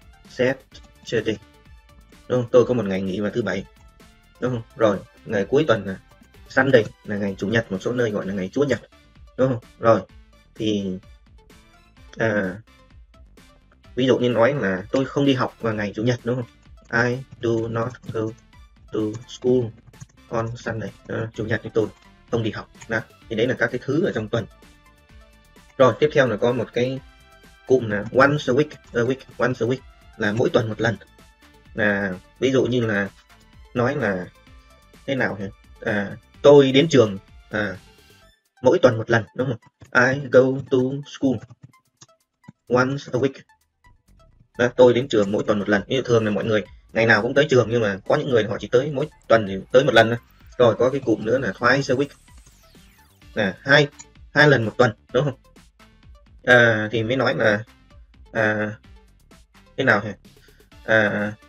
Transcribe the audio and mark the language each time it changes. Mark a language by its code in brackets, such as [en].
[vi] Saturday. Đúng không? Tôi có một ngày nghỉ vào thứ bảy. Đúng không? Rồi, ngày cuối tuần là Sunday, là ngày chủ nhật, một số nơi gọi là ngày chủ nhật. Đúng không? Rồi. Thì ví dụ như nói là tôi không đi học vào ngày chủ nhật, đúng không? [en] I do not go to school on Sunday. [vi] Chủ nhật thì tôi không đi học. Đó. Thì đấy là các cái thứ ở trong tuần. Rồi tiếp theo là có một cái cụm là once a week, once a week là mỗi tuần một lần. Là ví dụ như là nói là thế nào nhỉ? Tôi đến trường mỗi tuần một lần, đúng không? [en] I go to school once a week. [vi] Đó, tôi đến trường mỗi tuần một lần. Ví dụ thường là mọi người ngày nào cũng tới trường, nhưng mà có những người họ chỉ tới mỗi tuần thì tới một lần. Rồi có cái cụm nữa là twice a week. Là hai lần một tuần, đúng không? Thì mới nói là thế nào hả?